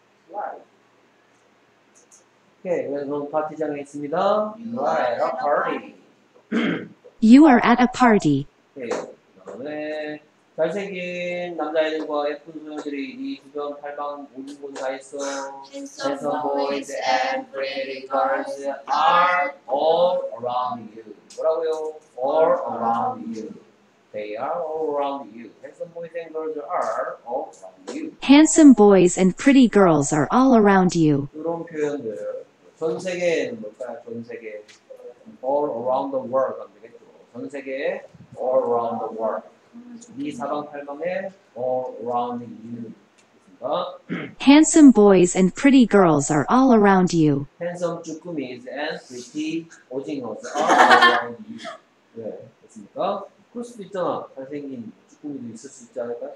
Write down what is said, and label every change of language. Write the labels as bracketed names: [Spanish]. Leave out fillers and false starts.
[Korean] 라이브. 오케이, 우리는 파티장에 있습니다. [English] You are at a party. [Korean] 오케이, 그다음에 잘생긴 남자애들과 예쁜 소녀들이 이 주변 팔방 모든 곳 다 있어. [English] Handsome boys and pretty girls are all around you. [Korean] 뭐라고요? [English] All around you. They are all around you. Handsome boys and girls are all around you. Handsome boys and pretty girls are all around you. [Korean] 이런 표현들. 전 세계에는 뭘까요? 전 세계에 [English] All around the world [Korean] 안 되겠죠? 전 세계에 [English] All around the world [Korean] 네 사방팔방에 [English] All around you Handsome boys and pretty girls are all around you. Handsome [Korean] 쭈꾸미 [English] s and pretty [Korean] 오징어 [English] s are all around you. [Korean] 네, 됐습니까? 그럴 수도 있잖아. 잘생긴 쭈꾸미도 있을 수 있지 않을까?